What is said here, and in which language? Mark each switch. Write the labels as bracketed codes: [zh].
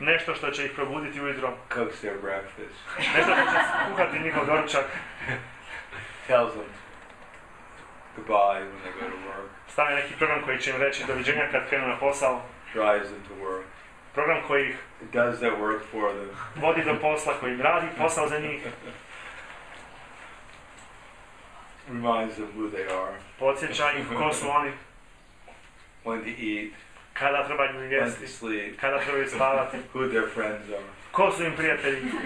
[bs] Nešto što će ih probuditi ujutro. [en] Cooks their breakfast. [bs] Nešto što će kuhati njihov doručak. [en] Tells them goodbye when they go to work. [bs] Stave neki program koji će im reći doviđenja kad krenu na posao. [en] Drives them to work. [bs] Program koji ih [en] does their work for them. [bs] Vodi do posla, koji im radi posao za njih. [en] Reminds them who they are. [bs] Podsjeća ih ko su oni. [en] When to eat. [bs] Kada trebaju jesti. [en] When to sleep. [bs] Kada trebaju spavati. [en] Who their friends are. [bs] Ko su im prijatelji.